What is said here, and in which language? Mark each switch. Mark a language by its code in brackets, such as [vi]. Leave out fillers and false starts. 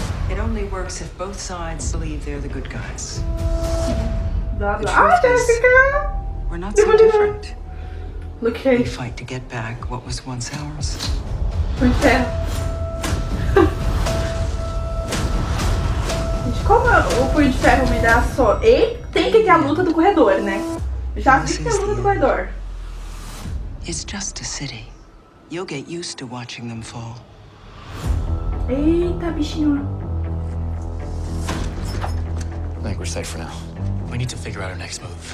[en] it only works if both sides believe they're the good guys. Ah, Jessica! We're not so different. Look here. We fight to get back what was once ours. [pt] Gente, como o Punho de Ferro me dá só... e tem que ter a luta do corredor, né? Já tem que ter a luta do corredor. [en] It's just a city. You'll get used to watching them fall. [pt] Eita, bichinho. [en] I think we're safe for now. We need to figure out our next move.